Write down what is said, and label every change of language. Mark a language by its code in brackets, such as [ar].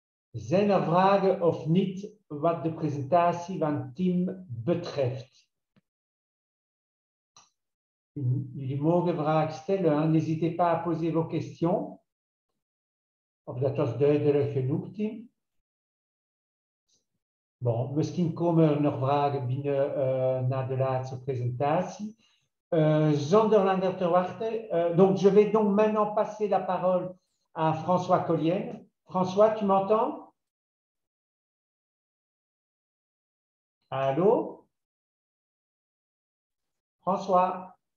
[nl] Zijn er vragen of niet wat de presentatie van Tim betreft? Jullie mogen vragen stellen, hein? [fr] N'hésitez pas à poser vos questions. [nl] Of dat was duidelijk genoeg, Tim? Bon, misschien komen er nog vragen binnen na de laatste presentatie. Zonder langer te wachten, [fr] donc je vais donc maintenant passer la parole à François Collienne. François, tu m'entends? Allô? François?